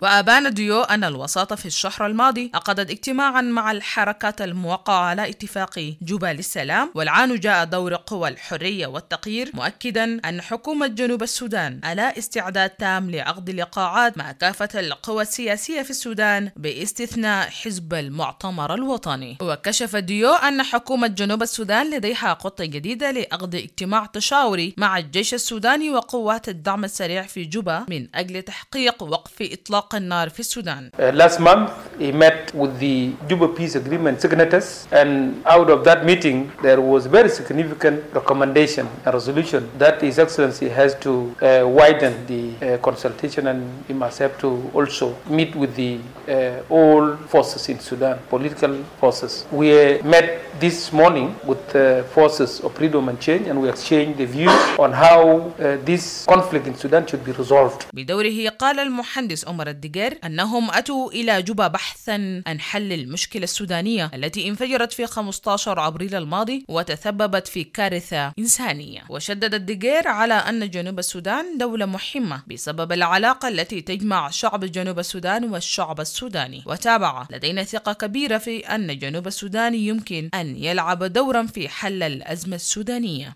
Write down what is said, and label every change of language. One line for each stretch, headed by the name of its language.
Arabic: وأبان ديو أن الوساطة في الشهر الماضي أقدت اجتماعا مع الحركات الموقعة على اتفاق جبال السلام، والآن جاء دور قوى الحرية والتغيير، مؤكدا أن حكومة جنوب السودان على استعداد تام لعقد لقاءات مع كافة القوى السياسية في السودان باستثناء حزب المعتمر الوطني. وكشف ديو أن حكومة جنوب السودان لديها خطة جديدة لعقد اجتماع تشاوري مع الجيش السوداني وقوات الدعم السريع في جوبا من أجل تحقيق وقف إطلاق النار في السودان.
English: Last month he met with the Juba peace agreement signatories, and out of that meeting there was very significant recommendation and resolution that His Excellency has to widen the consultation, and he must have to also meet with the all forces in Sudan, political forces. We met this morning with the forces of Freedom and Change, and we exchanged the views on how this conflict in Sudan should be resolved.
Arabic: بدوره قال المهندس عمر الدقير أنهم أتوا إلى جوبا بحثا عن حل المشكلة السودانية التي انفجرت في 15 أبريل الماضي وتسببت في كارثة إنسانية. وشدد الدقير على أن جنوب السودان دولة مهمة بسبب العلاقة التي تجمع شعب جنوب السودان والشعب السوداني، وتابع: لدينا ثقة كبيرة في أن جنوب السودان يمكن أن يلعب دورا في حل الأزمة السودانية.